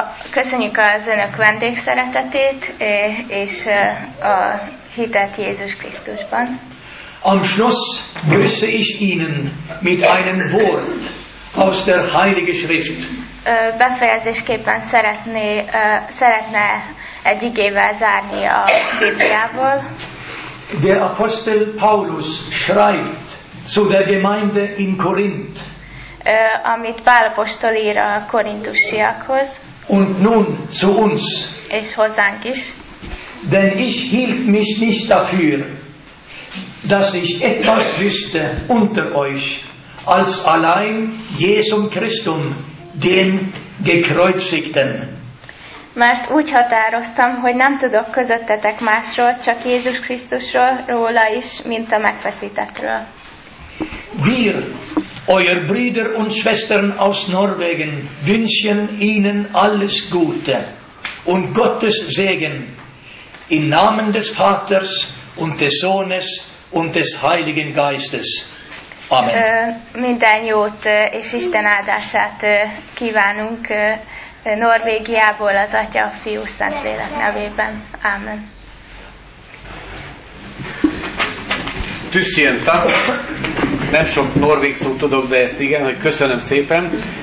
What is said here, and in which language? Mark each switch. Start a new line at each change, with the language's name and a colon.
Hungarian: Köszönjük az Önök vendégszeretetét és a hitet Jézus Krisztusban.
German: Am Schluss grüße ich Ihnen mit einem Wort aus der Heiligen Schrift.
Hungarian: Befejezésképpen szeretne egy igével zárni a Bibliából.
German: Der Apostel Paulus schreibt zu der Gemeinde in Korinth.
Hungarian: Amit Pál apostol ír a korintusiakhoz.
German: Und nun zu uns.
Hungarian: És hozzánk is.
German: Denn ich hielt mich nicht dafür, dass ich etwas wüsste unter euch, als allein Jesum Christum, den Gekreuzigten.
Hungarian: Mert úgy határoztam, hogy nem tudok közöttetek másról, csak Jézus Krisztusról, róla is, mint a megfeszítettről.
German: Wir, euer Brüder und Schwestern aus Norwegen, wünschen Ihnen alles Gute und Gottes Segen im Namen des Vaters und des Sohnes und des Heiligen Geistes. Amen.
Hungarian: Minden jót és Isten áldását kívánunk Norvégiából az Atya, a Fiú, Szentlélek nevében. Amen.
Norwegian: Tüsszien takk.
Hungarian: Nem sok norvég szót tudok, de ezt igen, hogy köszönöm szépen.